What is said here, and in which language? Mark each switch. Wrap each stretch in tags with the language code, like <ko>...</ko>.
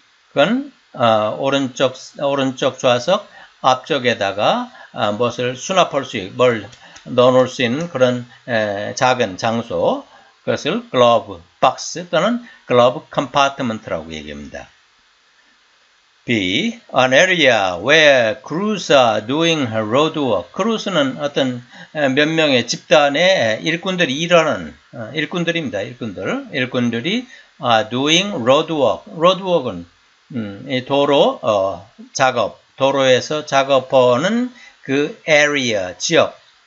<ko>그건 오른쪽 좌석 앞쪽에다가 무엇을 수납할 수, 뭘 넣어놓을 수 있는 그런 작은 장소, 그것을 글러브 박스 또는 글러브 컴파트먼트라고 얘기합니다.</ko> <en>B. An area where crews are doing road work.</en> <ko>Crews는 어떤 몇 명의 집단의 일꾼들이 일하는 일꾼들입니다. 일꾼들이</ko> <en>are doing road work. Road work</en> <ko>은 도로 작업, 도로에서 작업하는 그 area, 지역.</ko>